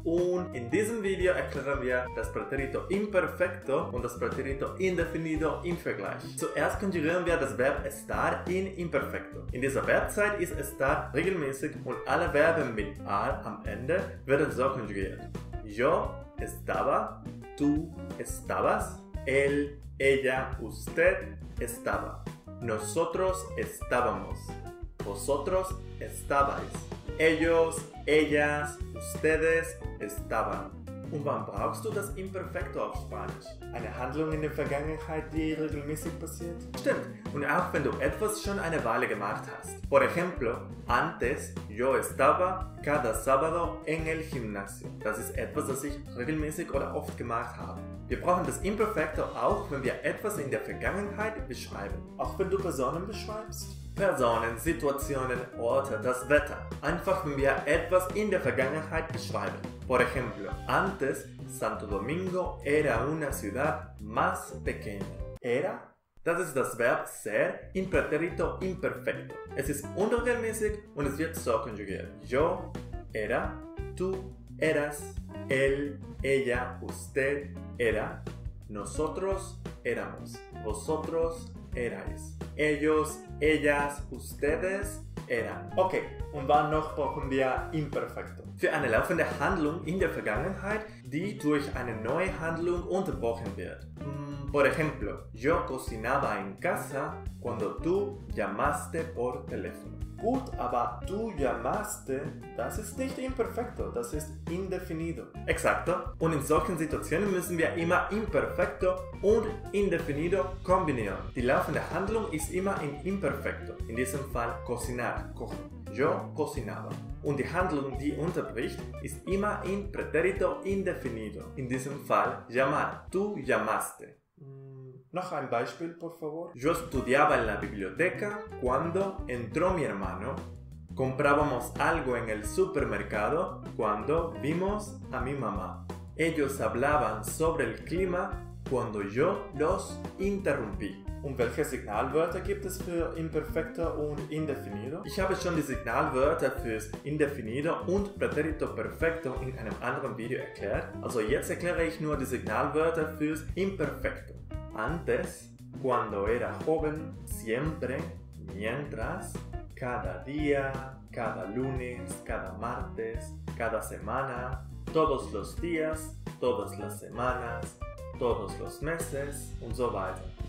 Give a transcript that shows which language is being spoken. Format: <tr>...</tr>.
<de>Und in diesem Video erklären wir das Pretérito Imperfecto und das Pretérito Indefinido im Vergleich. Zuerst konjugieren wir das Verb estar in Imperfecto. In dieser Verbzeit ist estar regelmäßig und alle Verben mit ar am Ende werden so konjugiert.</de> <es>Yo estaba, tú estabas, él, ella, usted estaba. Nosotros estábamos, vosotros estabais, ellos, ellas, ustedes estaban.</es> <de>Und wann brauchst du das Imperfecto auf Spanisch? Eine Handlung in der Vergangenheit, die regelmäßig passiert? Stimmt, und auch wenn du etwas schon eine Weile gemacht hast.</de> <es>Por ejemplo, antes yo estaba cada sábado en el gimnasio.</es> <de>Das ist etwas, das ich regelmäßig oder oft gemacht habe. Wir brauchen das Imperfecto auch, wenn wir etwas in der Vergangenheit beschreiben. Auch wenn du Personen beschreibst? Personen, Situationen, Orte, das Wetter. Einfach, wenn wir etwas in der Vergangenheit beschreiben.</de> <es>Por ejemplo, antes Santo Domingo era una ciudad más pequeña. Era?</es> <de>Das ist das Verb ser im Pretérito Imperfecto. Es ist unregelmäßig und es wird so konjugiert.</de> <es>Yo era, tú eras, él, ella, usted era, nosotros éramos, vosotros erais, ellos, ellas, ustedes eran.</es> <de>Okay, und wann noch brauchen wir Imperfecto? Für eine laufende Handlung in der Vergangenheit, die durch eine neue Handlung unterbrochen wird.</de> <es>Por ejemplo, yo cocinaba en casa cuando tú llamaste por teléfono.</es> <de>Gut, aber</de> <es>tú llamaste,</es> <de>das ist nicht Imperfecto, das ist Indefinido.</de> <es>Exacto.</es> <de>Und in solchen Situationen müssen wir immer Imperfecto und Indefinido kombinieren. Die laufende Handlung ist immer in Imperfecto, in diesem Fall cocinar, kochen.</de> <es>Yo cocinaba.</es> <de>Und die Handlung, die unterbricht, ist immer in Pretérito Indefinido, in diesem Fall llamar,</de> <es>tú llamaste.</es> <de>Noch ein Beispiel,</de> <es>por favor. Yo estudiaba en la biblioteca cuando entró mi hermano. Comprábamos algo en el supermercado cuando vimos a mi mamá. Ellos hablaban sobre el clima cuando yo los interrumpí.</es> <de>Und welche Signalwörter gibt es für Imperfecto und Indefinido? Ich habe schon die Signalwörter fürs Indefinido und Pretérito Perfecto in einem anderen Video erklärt. Also jetzt erkläre ich nur die Signalwörter fürs Imperfecto.</de> <es>Antes, cuando era joven, siempre, mientras, cada día, cada lunes, cada martes, cada semana, todos los días, todas las semanas, todos los meses</es> <de>und so weiter.</de>